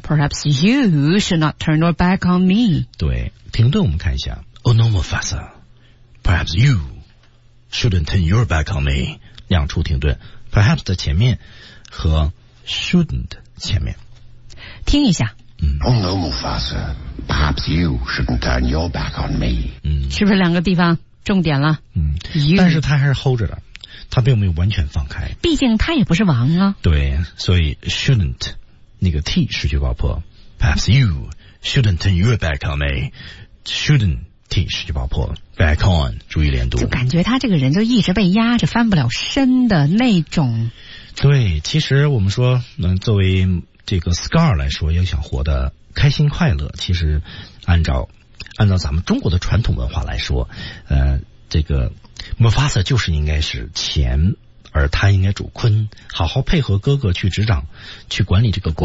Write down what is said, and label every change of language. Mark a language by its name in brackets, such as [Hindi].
[English] Perhaps you should not turn your back on me. [Chinese] 对，停顿，我们看一下。 [English] Oh, no, Mufasa. Perhaps you shouldn't turn your back on me. [Chinese] 两处停顿。 perhaps 的前面和 shouldn't 前面。听一下。 [English] Oh no, Mufasa. Perhaps you shouldn't turn your back on me. [Chinese] 是不是两个地方重点了？但是他还是 hold 着的，他并没有完全放开。毕竟他也不是王啊。对，所以 shouldn't 那个 t 失去爆破。 [English] Perhaps you shouldn't turn your back on me. Shouldn't t [Chinese] 失去爆破。 [English] Back on [Chinese] 注意连读。就感觉他这个人就一直被压着翻不了身的那种。对，其实我们说，作为这个 Scar 来说，要想活得开心快乐，其实按照咱们中国的传统文化来说，这个 Mufasa 就是应该是前，而他应该主坤，好好配合哥哥去执掌，去管理这个